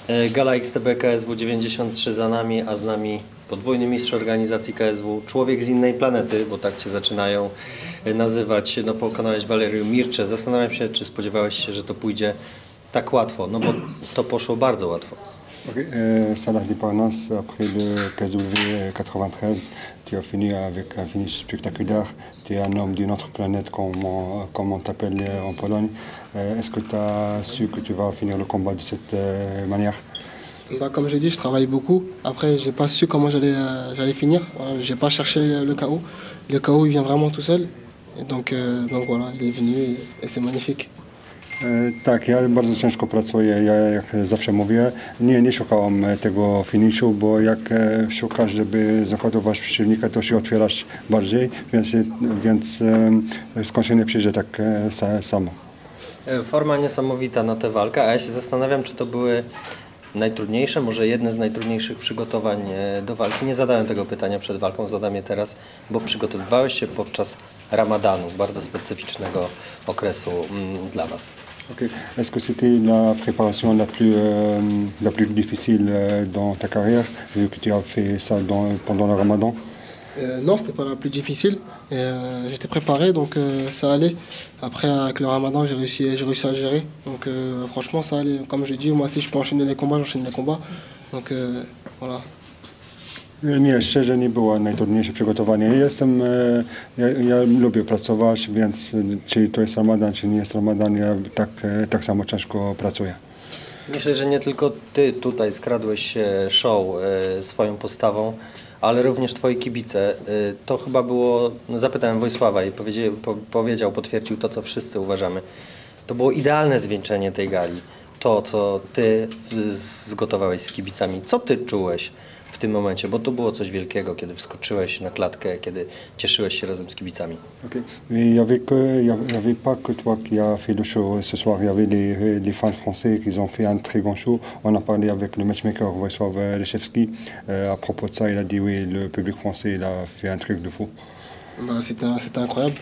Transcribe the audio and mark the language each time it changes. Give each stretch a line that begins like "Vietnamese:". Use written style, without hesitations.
Polish: Gala XTB KSW 93 za nami, a z nami podwójny mistrz organizacji KSW, człowiek z innej planety, bo tak cię zaczynają nazywać, no pokonałeś Valerio Mircze. Zastanawiam się, czy spodziewałeś się, że to pójdzie tak łatwo, no bo to poszło bardzo łatwo.
French: Ça l'a dit pour nous, après le KSW 93, tu as fini avec un finish spectaculaire, tu es un homme d'une autre planète, comme on t'appelle en Pologne. Est-ce que tu as su que tu vas finir le combat de cette manière? Bah, comme j'ai dit, je travaille beaucoup. Après, je n'ai pas su comment j'allais finir. Voilà, je n'ai pas cherché le KO. Le KO, il vient vraiment tout seul. Et donc voilà, il est venu et c'est magnifique.
Polish: Tak, ja bardzo ciężko pracuję, ja jak zawsze mówię, nie szukałem tego finiszu, bo jak szukasz, żeby zahodować przeciwnika, to się otwierasz bardziej, więc skąd się nie przyjdzie tak samo. Forma niesamowita na tę walkę, a ja się zastanawiam, czy to były najtrudniejsze, może jedne z najtrudniejszych przygotowań do walki. Nie zadałem tego pytania przed walką, zadam je teraz, bo przygotowywałeś się podczas Ramadanu, bardzo specyficznego okresu dla was. Okay.
French: Est-ce que c'était la préparation la plus difficile dans ta carrière, vu que tu as fait ça pendant le Ramadan? Non, c'était pas la plus difficile. J'étais préparé, donc ça allait. Après, avec le Ramadan, j'ai réussi à gérer. Donc franchement, ça allait. Comme j'ai dit, moi, si je peux enchaîner les combats, j'enchaîne les combats. Donc voilà.
Polish: Nie, szczerze nie było najtrudniejsze przygotowanie. Ja lubię pracować, więc czy to jest Ramadan, czy nie jest Ramadan, ja tak samo ciężko pracuję. Myślę, że nie tylko ty tutaj skradłeś show swoją postawą, ale również twoi kibice. To chyba było, no zapytałem Wojsława i powiedział, potwierdził to, co wszyscy uważamy. To było idealne zwieńczenie tej gali. To, co ty zgotowałeś z kibicami. Co ty czułeś w tym momencie, bo to było coś wielkiego, kiedy wskoczyłeś na klatkę, kiedy cieszyłeś się razem z kibicami. Okay.
French: Il y avait que, il y avait pas que toi qui a fait le show ce soir, il y avait les fans français qui ont fait un très grand show. On a parlé avec le matchmaker Wojsław Leszewski. À propos de ça, il a dit oui, le public français, il a fait un truc de fou. Bah, c'était incroyable.